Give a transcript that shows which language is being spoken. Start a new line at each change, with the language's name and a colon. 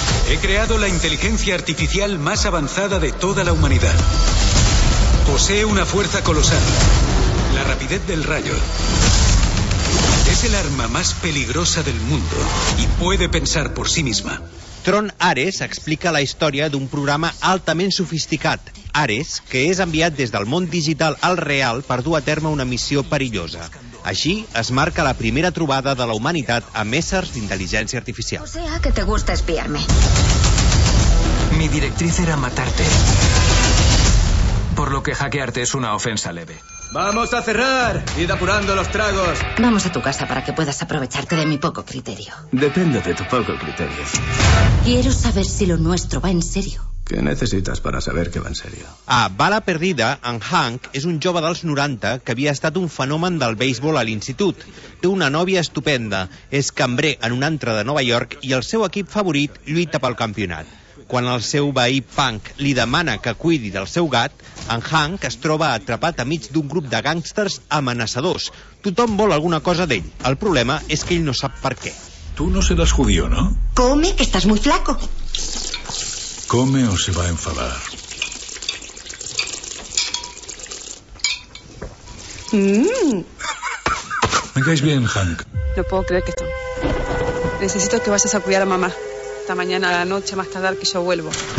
Spanish: He creado la inteligencia artificial más avanzada de toda la humanidad. Posee una fuerza colosal, la rapidez del rayo. Es el arma más peligrosa del mundo y puede pensar por sí misma.
Catalan: Tron Ares explica la història d'un programa altament sofisticat, Ares, que és enviat des del món digital al real per dur a terme una missió perillosa. Així es marca la primera trobada de la humanitat amb éssers d'intel·ligència artificial.
Spanish: O sea que te gusta espiarme. Mi directriz era matarte. Por lo que hackearte es una ofensa leve. ¡Vamos a cerrar! ¡Id apurando los tragos! Vamos a tu casa para que puedas aprovecharte de mi poco criterio. Depende de tu poco criterio. Quiero saber si lo nuestro va en serio. ¿Qué necesitas para saber que va en serio?
Catalan: A Bala Perdida, en Hank és un jove dels 90 que havia estat un fenomen del béisbol a l'institut. Té una nòvia estupenda, és cambrer en un antre de Nova York i el seu equip favorit lluita pel campionat. Quan el seu veí punk li demana que cuidi del seu gat, en Hank es troba atrapat a mig d'un grup de gàngsters amenaçadors. Tothom vol alguna cosa d'ell. El problema és que ell no sap per què.
Spanish: Tu no seràs judío, no? Come, que estàs muy flaco. Come o se va a enfadar. Me caes bien, Hank. No puedo creer que esto. Necesito que vayas a cuidar a mamá. Esta mañana a la noche, más tardar que yo vuelvo.